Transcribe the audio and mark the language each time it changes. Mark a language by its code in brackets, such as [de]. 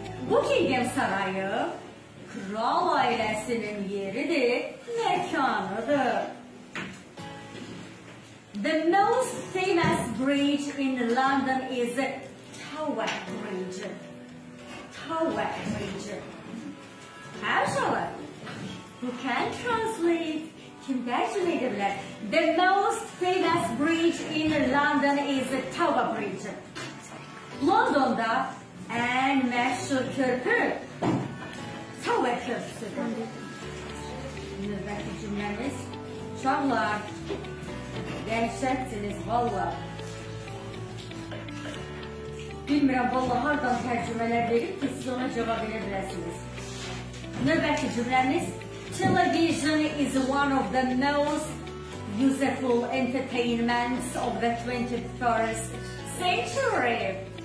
[az] Buckingham sarayı kral ailəsinin yeridir, məkanıdır. [en] The most famous bridge in London is Tower Bridge. Tower Bridge. Hər şələr. Who can translate? [az] Kim tərcümə edə bilər? [en] The most famous bridge in London is Tower Bridge. [az] Londonda ən məşhur körpü Tower körpüsüdür. Növbəti cümləmiz. Uşaqlar, dəhşətsiniz valla. Bilmirəm valla hardan tərcümələr verib ki, siz ona cavab edə biləsiniz. Növbəti cümləmiz. [en] Television is one of the most useful entertainments of the 21st century.